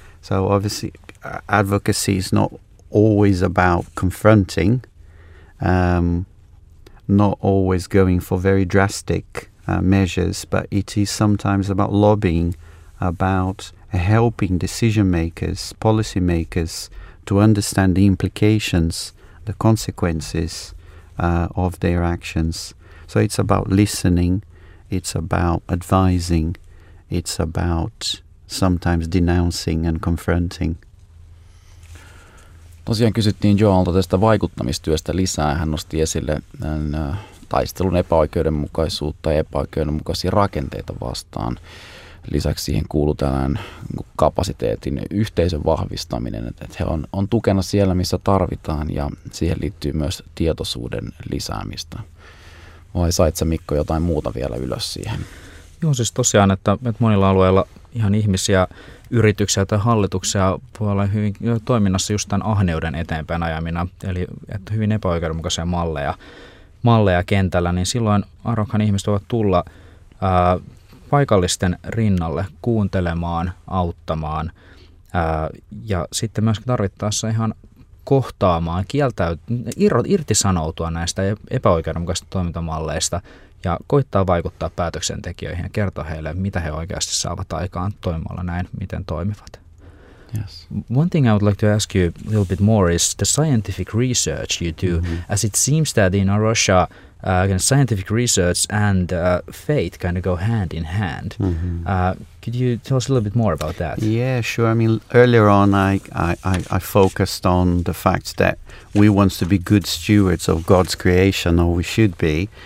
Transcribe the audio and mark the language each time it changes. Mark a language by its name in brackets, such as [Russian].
[English] So obviously advocacy is not always about confronting, not always going for very drastic measures, but it is sometimes about lobbying, about helping decision makers, policy makers to understand the implications, the consequences of their actions. So it's about listening, it's about advising, it's about sometimes denouncing and confronting. [Finnish] Tosiaan kysyttiin Joalta tästä vaikuttamistyöstä lisää. Hän nosti esille taistelun epäoikeudenmukaisuutta ja epäoikeudenmukaisia rakenteita vastaan. Lisäksi siihen kuuluu tällainen kapasiteetin yhteisön vahvistaminen, että he on tukena siellä, missä tarvitaan, ja siihen liittyy myös tietoisuuden lisäämistä. Vai sait sä, Mikko, jotain muuta vielä ylös siihen? Joo, siis tosiaan, että monilla alueilla ihan ihmisiä, yrityksiä tai hallituksia voi olla hyvin toiminnassa just tämän ahneuden eteenpäin ajamina, eli että hyvin epäoikeudenmukaisia malleja kentällä, niin silloin arvokkaan ihmiset voivat tulla paikallisten rinnalle kuuntelemaan, auttamaan ja sitten myöskin tarvittaessa ihan kohtaamaan, irtisanoutua näistä epäoikeudenmukaisista toimintamalleista ja koittaa vaikuttaa päätöksentekijöihin ja kertoa heille, mitä he oikeasti saavat aikaan toimimalla näin, miten toimivat. [English] Yes. One thing I would like to ask you a little bit more is the scientific research you do, as it seems that in Russia scientific research and faith kind of go hand in hand. Could you tell us a little bit more about that? Yeah, sure. I mean, earlier on I focused on the fact that we want to be good stewards of God's creation, or we should be.